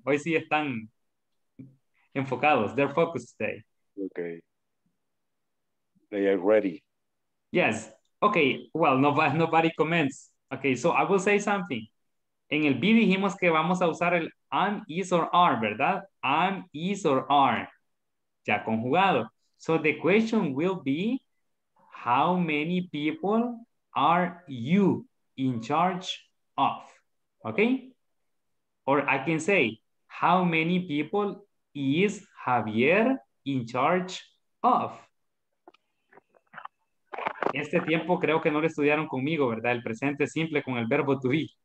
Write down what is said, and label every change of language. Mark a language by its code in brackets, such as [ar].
[es] Hoy sí están enfocados. [en] They're focused today. Okay. They are ready. Yes. Okay. Well, nobody comments. Okay, so I will say something. [es] En el B dijimos que vamos a usar el am, is, or are, ¿verdad? Am, is, or are. Ya conjugado. [en] So the question will be, how many people are you in charge of? Okay? Or I can say, how many people is Javier in charge of? [es] Este tiempo creo que no lo estudiaron conmigo, ¿verdad? El presente simple con el verbo to be.